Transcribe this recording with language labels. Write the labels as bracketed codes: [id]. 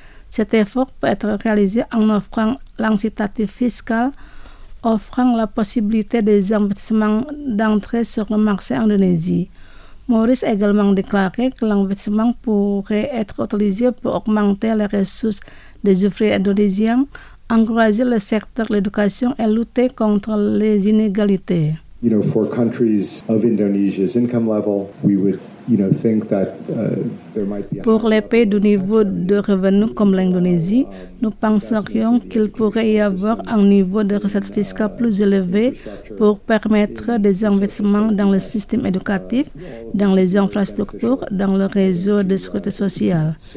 [fr] Cet effort peut être réalisé en offrant l'incitatif fiscal, offrant la possibilité des investissements d'entrée sur le marché indonésien. Maurice a également déclaré que l'investissement pourrait être utilisé pour augmenter les ressources des ouvriers indonésiens, encourager le secteur de l'éducation et lutter contre les inégalités. [en] You know, for countries of Indonesia's income level, we would, you know, think that there might be. [fr] Pour les pays du niveau de revenus comme l'Indonésie, nous penserions qu'il pourrait y avoir un niveau de recettes fiscales plus élevé pour permettre des investissements dans le système éducatif, dans les infrastructures, dans le réseau de sécurité sociale.